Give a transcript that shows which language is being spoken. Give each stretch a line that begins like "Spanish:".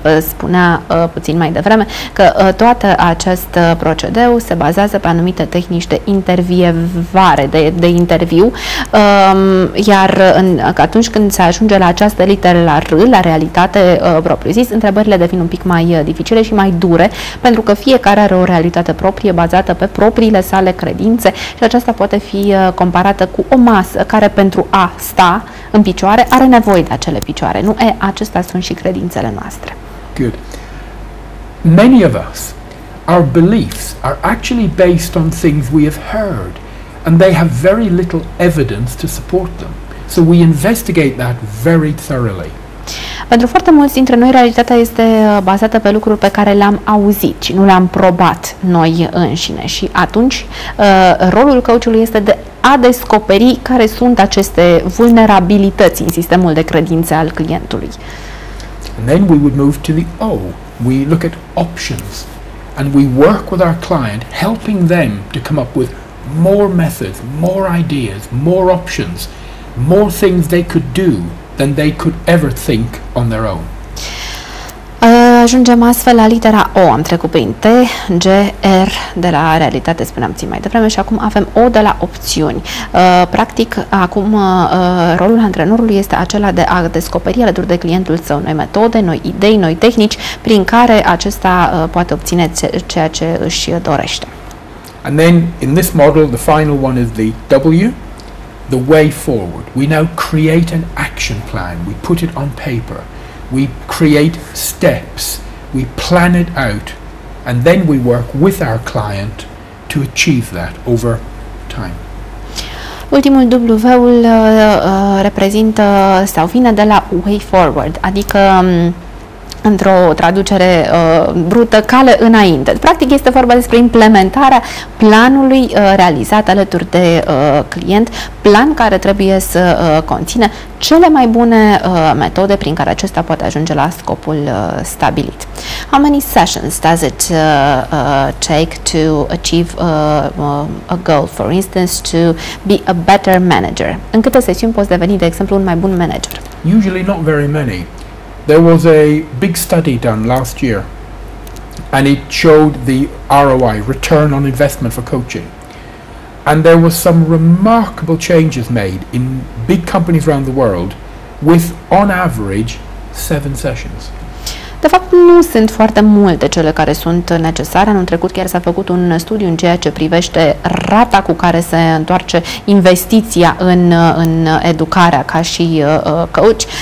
Romanian: Vă spunea puțin mai devreme că toată acest procedeu se bazează pe anumite tehnici de intervievare, de interviu, iar atunci când se ajunge la această literă, la R, la realitate propriu-zis, întrebările devin un pic mai dificile și mai dure, pentru că fiecare are o realitate proprie, bazată pe propriile sale credințe și aceasta poate fi comparată cu o masă care pentru a sta în picioare are nevoie de acele picioare, nu? E, acestea sunt și credințele noastre.
English: Good. Many of us, our beliefs are actually based on things we have heard and they have very little evidence to support them. So we investigate that very thoroughly.
Romanian: Pentru foarte mulți dintre noi, realitatea este bazată pe lucruri pe care le-am auzit și nu le-am probat noi înșine. Și atunci, rolul coachului este de a descoperi care sunt aceste vulnerabilități în sistemul de credințe al clientului.
English: And then we would move to the O. We look at options and we work with our client, helping them to come up with more methods, more ideas, more options, more things they could do than they could ever think on their own.
Romanian: Ajungem astfel la litera O. Am trecut prin T, G, R de la realitate, spuneam ții mai devreme, și acum avem O de la opțiuni. Practic, acum rolul antrenorului este acela de a descoperi alături de clientul său noi metode, noi idei, noi tehnici, prin care acesta poate obține ceea ce își dorește.
English: And then, in this model, the final one is the W. The way forward. We now create an action plan. We put it on paper. We create steps. We plan it out. And then we work with our client to achieve that over time.
Romanian: Ultimul W-ul reprezintă sau vine de la
English: way forward,
Romanian: adică într-o traducere brută, cale înainte. Practic este vorba despre implementarea planului realizat alături de client, plan care trebuie să conțină cele mai bune metode prin care acesta poate ajunge la scopul stabilit.
English: How many sessions does it take to achieve a goal, for instance, to be a better manager?
Romanian: În câte sesiuni poți deveni, de exemplu, un mai bun manager?
English: Usually not very many. There was a big study done last year and it showed the ROI, return on investment for coaching. And there were some remarkable changes made in big companies around the world with, on average, 7 sessions.
Romanian: De fapt, nu sunt foarte multe cele care sunt necesare. Anul trecut chiar s-a făcut un studiu în ceea ce privește rata cu care se întoarce investiția în educarea ca și coach.